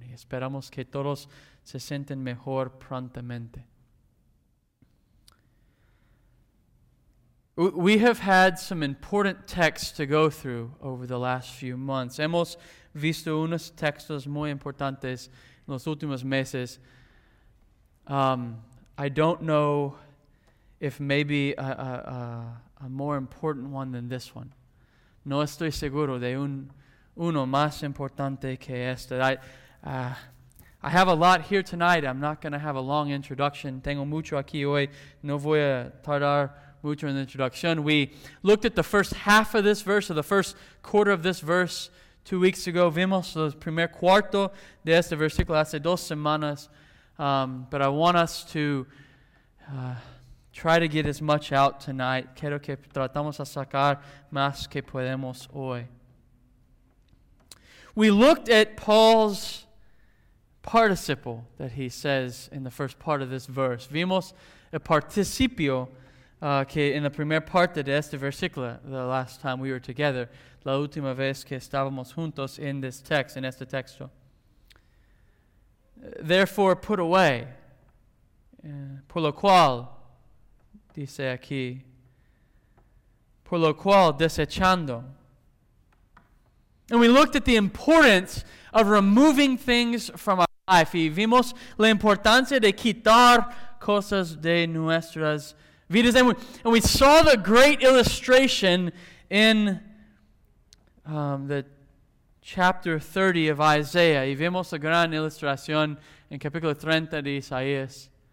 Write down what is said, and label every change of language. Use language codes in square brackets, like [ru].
[es] Y esperamos que todos se sienten mejor prontamente. [en] We have had some important texts to go through over the last few months. [es] Hemos visto unos textos muy importantes en los últimos meses. [en] I don't know if maybe a more important one than this one. [es] No estoy seguro de uno más importante que este. [en] I have a lot here tonight. I'm not going to have a long introduction. [es] Tengo mucho aquí hoy. No voy a tardar mucho [en] in the introduction. We looked at the first half of this verse, or the first quarter of this verse, 2 weeks ago. [es] Vimos el primer cuarto de este versículo hace dos semanas. [en] But I want us to try to get as much out tonight. [es] Quiero que tratamos a sacar más que podemos hoy. [en] We looked at Paul's participle that he says in the first part of this verse. [es] Vimos el participio que en la primera parte de este versículo, [en] the last time we were together, [es] la última vez que estábamos juntos [en] in this text, [es] in este texto. [en] Therefore, put away. [es] Por lo cual, dice aquí. Por lo cual, desechando. [en] And we looked at the importance of removing things from our life. [es] Y vimos la importancia de quitar cosas de nuestras vidas. [en] And we saw the great illustration in the chapter 30 of Isaiah. [es] Y vimos la gran ilustración en capítulo 30 de Isaías.